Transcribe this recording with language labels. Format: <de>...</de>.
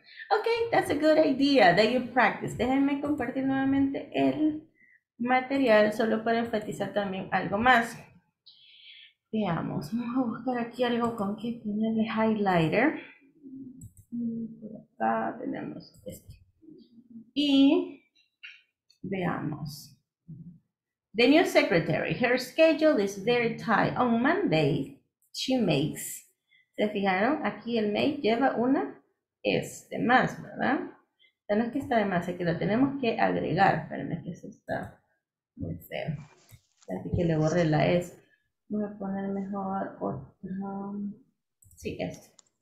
<en>Ok, that's a good idea that you practice.</en> <es>Déjenme compartir nuevamente el material solo para enfatizar también algo más. Veamos, vamos a buscar aquí algo con que tener el highlighter. Por acá tenemos este. Y veamos.</es> <en>The new secretary, her schedule is very tight. On Monday, she makes.</en> <es>¿Se fijaron? Aquí el make lleva una S de más, ¿verdad? O sea, no es que está de más, es que la tenemos que agregar. Espérenme que eso está muy feo. Así que le borré la S. Voy a poner mejor otro. Sí, este.</es>